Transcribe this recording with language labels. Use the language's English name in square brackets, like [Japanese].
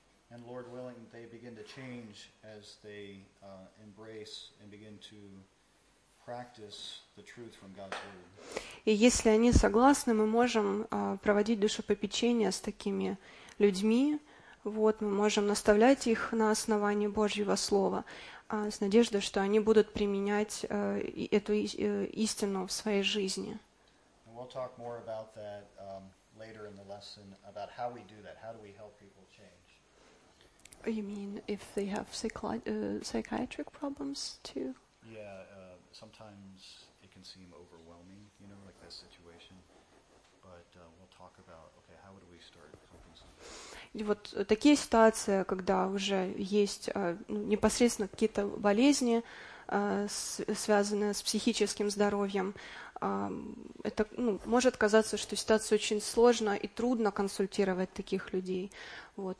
[English] And Lord willing, they begin to change as they embrace and begin to practice the truth from God's word. [Russian] И если они согласны, мы можем проводить душепопечение с такими людьми. Вот, мы можем наставлять их на основании Божьего слова, с надеждой, что они будут применять эту истину в своей жизни. [English] And we'll talk more about that later in the lesson, about how we do that, how do we help people change. You mean if they have psychiatric problems too? Yeah, sometimes it can seem overwhelming, you know, like this situation. But we'll talk about, okay, how would we start helping somebody? [Russian] И вот такие ситуации, когда уже есть непосредственно какие-то болезни, связанные с психическим здоровьем, это ну, может казаться, что ситуация очень сложная и трудно консультировать таких людей. Вот.